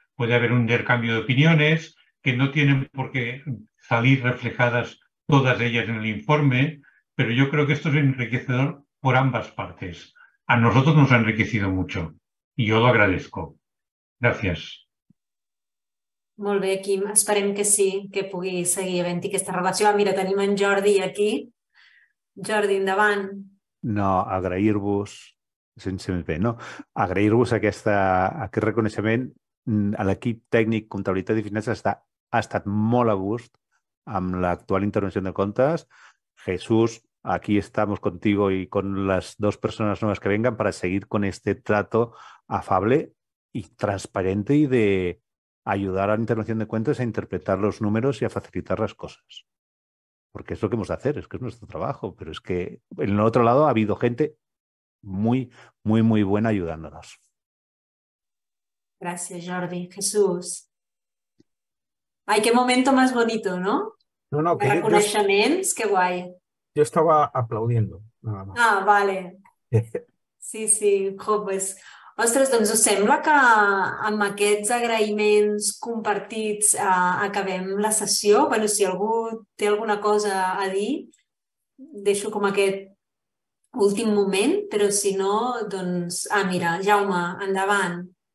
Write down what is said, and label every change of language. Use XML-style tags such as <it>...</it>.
<es>Puede haber un intercambio de opiniones que no tienen por qué salir reflejadas todas ellas en el informe, pero yo creo que esto es enriquecedor por ambas partes. A nosotros nos ha enriquecido mucho y yo lo agradezco. Gracias.</es> <ca>Molt bé, Quim. Esperem que sí, que pugui seguir havent-hi aquesta relació. Mira, tenim en Jordi aquí. Jordi, endavant. No, agrair-vos, sense més bé, no? Agrair-vos aquest reconeixement. A l'equip tècnic Comptabilitat i Finances ha estat molt a gust amb l'actual intervenció de comptes.</ca> <es>Jesús, aquí estamos contigo y con las dos personas nuevas que vengan para seguir con este trato afable y transparente y de ayudar a la intervención de cuentas a interpretar los números y a facilitar las cosas. Porque es lo que hemos de hacer, es que es nuestro trabajo. Pero es que en el otro lado ha habido gente muy, muy, muy buena ayudándonos. Gracias, Jordi. Jesús. Ay, qué momento más bonito, ¿no? No, no, que...</es> <ca>Reconeixements,</ca> <es>qué guay. Yo estaba aplaudiendo, nada más. Ah, vale. Sí, sí, pues...</es> <ca>Ostres, doncs us sembla que amb aquests agraïments compartits acabem la sessió? Bé, si algú té alguna cosa a dir, deixo com aquest últim moment, però si no, doncs... Ah, mira, Jaume, endavant.</ca>